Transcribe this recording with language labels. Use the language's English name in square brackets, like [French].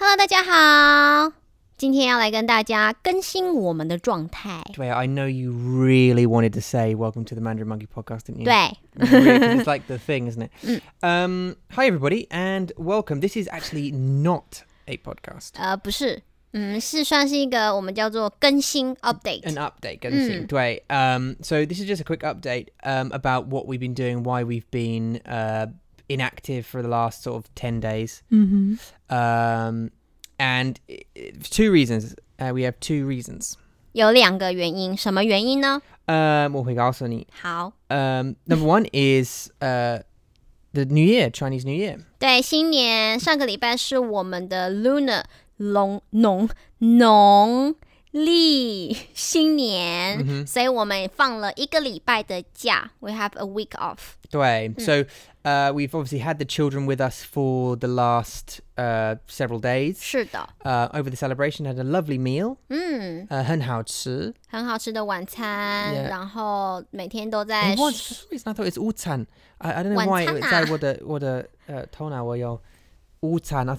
[Chinese] 大家好，今天要来跟大家更新我们的状态。对 [English] I know you really wanted to say welcome to the Mandarin Monkey podcast, didn't you? [Chinese] 对 [English] It's like the thing, isn't it? Hi everybody, and welcome. This is actually not a podcast. [Chinese] 不是，是算是一个我们叫做更新 update. [English] An update, [Chinese] 更新，对。 [English] So this is just a quick update about what we've been doing, why we've been... inactive for the last sort of 10 days. Mm-hmm. And two reasons. We have two reasons. [Chinese] 有两个原因。什么原因呢？我会告诉你。好。 [English] Number one is the New Year, Chinese New Year. [Chinese] 对，新年。上个礼拜是我们的 Lunar 农历新年。Mm-hmm. 所以我们放了一个礼拜的假。 [English] We have a week off. [Chinese] 对。 [English] So,we've obviously had the children with us for the last several days. [Chinese] 是的。 [English] Over the celebration, had a lovely meal. [Chinese] 很好吃。很好吃的晚餐。 [English] Yeah. [Chinese] 然后每天都在。 [English] I thought it's [Chinese] 午餐。 [English] I don't know why it's like [Chinese] 我的头脑我有午餐。